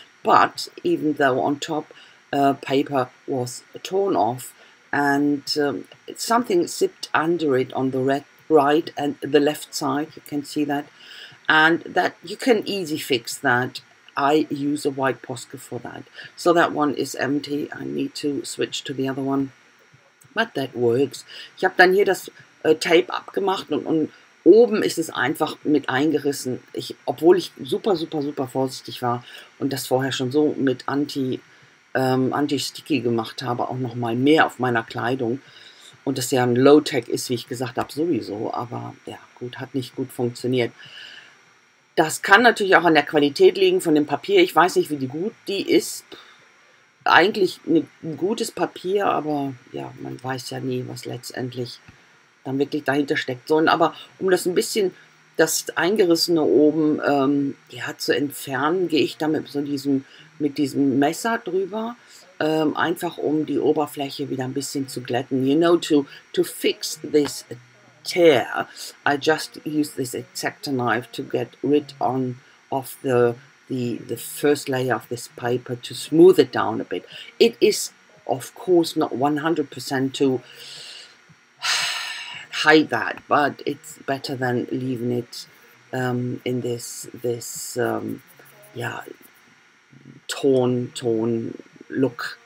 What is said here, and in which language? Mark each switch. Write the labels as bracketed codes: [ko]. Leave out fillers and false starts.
[en] But even though on top paper was torn off, and something zipped under it on the right and the left side, you can see that, and that you can easily fix that. I use a white Posca for that. So that one is empty. I need to switch to the other one. But that works. [de] Ich habe dann hier das Tape abgemacht, und oben ist es einfach mit eingerissen. Obwohl ich super, super, super vorsichtig war und das vorher schon so mit Anti-Sticky gemacht habe, auch noch mal mehr auf meiner Kleidung. Und das ja ein Low-Tech ist, wie ich gesagt habe, sowieso. Aber ja, gut, hat nicht gut funktioniert. Das kann natürlich auch an der Qualität liegen von dem Papier. Ich weiß nicht, wie gut die ist. Eigentlich ein gutes Papier, aber ja, man weiß ja nie, was letztendlich dann wirklich dahinter steckt. So, und aber um das ein bisschen, das Eingerissene oben ja, zu entfernen, gehe ich dann mit diesem Messer drüber, einfach um die Oberfläche wieder ein bisschen zu glätten. [en] You know, to fix this tear, I just use this X-Acto knife to get rid of the first layer of this paper, to smooth it down a bit. It is, of course, not 100% to hide that, but it's better than leaving it in this torn look.